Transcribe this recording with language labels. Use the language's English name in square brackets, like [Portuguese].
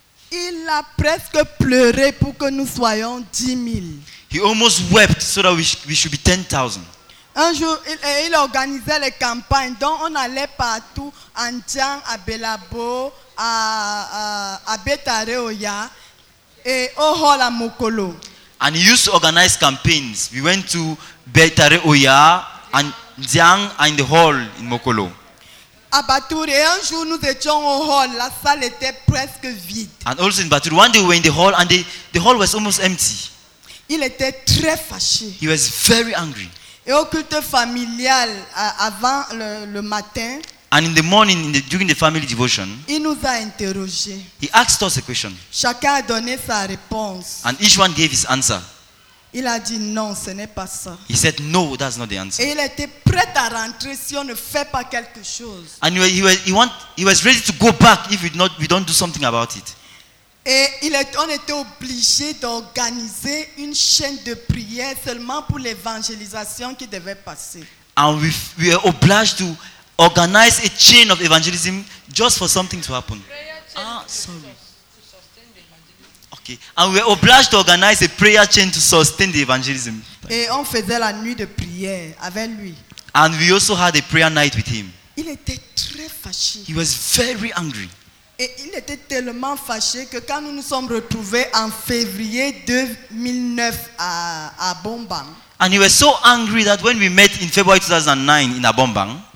[French] Il a presque pleuré pour que nous soyons 10,000. [English] He almost wept so that we should be 10,000. [French] Un jour, il organisait les campagnes, donc on allait partout, en Tiang, à Belabo, à Betare Oya, et au Hall à Mokolo. [English] And he used to organize campaigns. We went to Betare Oya, and Tiang, and the Hall in Mokolo. [French] À Batour, et un jour nous étions au Hall, la salle était presque vide. [English] And also in Batour, one day we were in the Hall, and the Hall was almost empty. [French] Il était très fâché. [English] He was very angry. [French] Et au culte familial avant le matin, [English] and in the morning, during the family devotion, [French] il nous a interrogé. [English] He asked us a question. [French] Chacun a donné sa réponse. [English] And each one gave his answer. [French] Il a dit non, ce n'est pas ça. [English] He said no, that's not the answer. [French] Et il était prêt à rentrer si on ne fait pas quelque chose. [English] And he was ready to go back if we don't do something about it. [French] Et on était obligé d'organiser une chaîne de prière seulement pour l'évangélisation qui devait passer. [English] And we were obliged to organize a chain of evangelism just for something to happen. Okay. And we were obliged to organize a prayer chain to sustain the evangelism. [French] Et on faisait la nuit de prière avec lui. [English] And we also had a prayer night with him. [French] Il était très fâché. [English] He was very angry. [French] Et il était tellement fâché que quand nous nous sommes retrouvés en février 2009 à Abombang. [English] And he was so angry that when we met in February 2009 in Abombang.